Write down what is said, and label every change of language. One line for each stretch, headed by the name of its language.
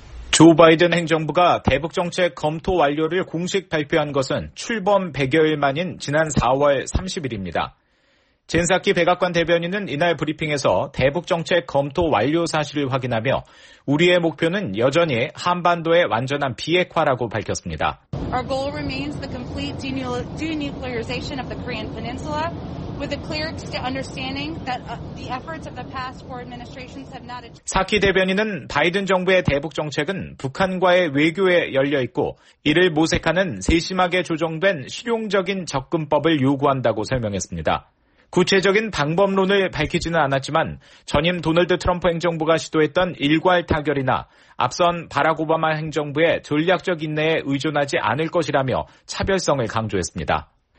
Korean: 조 바이든 행정부가 대북정책 검토 완료를 공식 발표한 것은 출범 100여일 만인 지난 4월 30일입니다. 젠 사키 백악관 대변인은 이날 브리핑에서 대북정책 검토 완료 사실을 확인하며 우리의 목표는 여전히 한반도의 완전한 비핵화라고 밝혔습니다.
English: Our goal remains the complete denuclearization of the Korean Peninsula. With a clear understanding that the efforts of the past four administrations have not achieved.
Korean: 사키 대변인은 바이든 정부의 대북 정책은 북한과의 외교에 열려 있고 이를 모색하는 세심하게 조정된 실용적인 접근법을 요구한다고 설명했습니다. 구체적인 방법론을 밝히지는 않았지만 전임 도널드 트럼프 행정부가 시도했던 일괄 타결이나 앞선 바락 오바마 행정부의 전략적 인내에 의존하지 않을 것이라며 차별성을 강조했습니다.